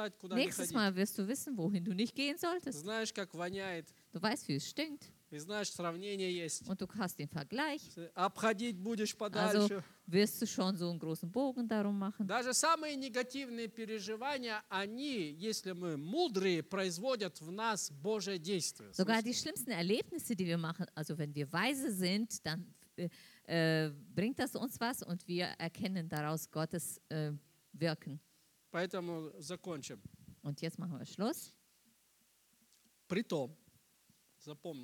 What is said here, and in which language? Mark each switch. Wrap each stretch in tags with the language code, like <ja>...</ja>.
<de>Nächstes Mal wirst du wissen, wohin du nicht gehen solltest. Du weißt, wie es stinkt. Und du hast den Vergleich. Also wirst du schon so einen großen Bogen darum machen.</de> <ru>Даже самые негативные переживания, они, если мы мудрые, производят в нас Божие действие.</ru> <de>Sogar die schlimmsten Erlebnisse, die wir machen, also wenn wir weise sind, dann bringt das uns was und wir erkennen daraus Gottes Wirken.</de> <ru>Поэтому закончим.</ru> <de>Und jetzt machen wir Schluss.</de> <ru>Притом, запомни.</ru>